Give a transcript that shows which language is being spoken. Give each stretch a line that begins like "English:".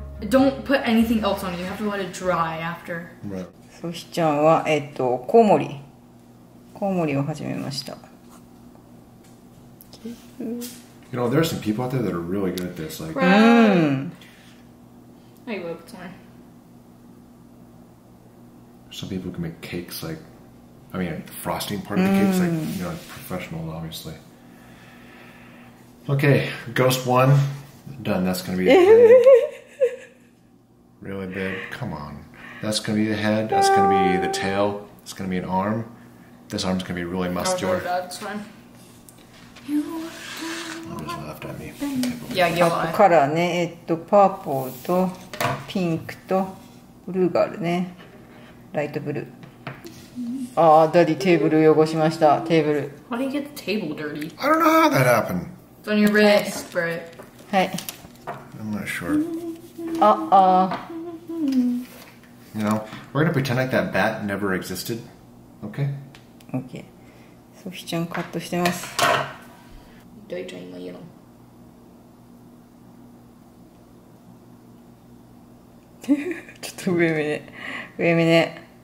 English: Don't put anything else on it. You have to let it dry after. Right.
Japanese: そしちゃんはコウモリ。コウモリを始めました。
English: You know, there are some people out there that are really good at this. Like, I love this one. Some people can make cakes like, I mean, the frosting part of the cakes, like, you know, professionals, obviously. Okay, ghost one, done. That's going to be really big. Come on. That's going to be the head. That's going to be the tail. It's going to be an arm. This arm's going to be really muscular. That's fine. Yeah, yellow.
Japanese: パープカラーね、パープルとピンクとブルーがあるね。ライトブルー。ああ、ダディテーブル汚しました。テーブル。
English: How do you get the table dirty? I don't know how that happened. It's on your wrist, Brett.
Japanese: はい。
English: I'm not sure. Uh-oh. You know, we're gonna pretend like that bat never existed. Okay? Okay.
Japanese: ソフィちゃんカットしてます。ちょっと上目ね、上目ね。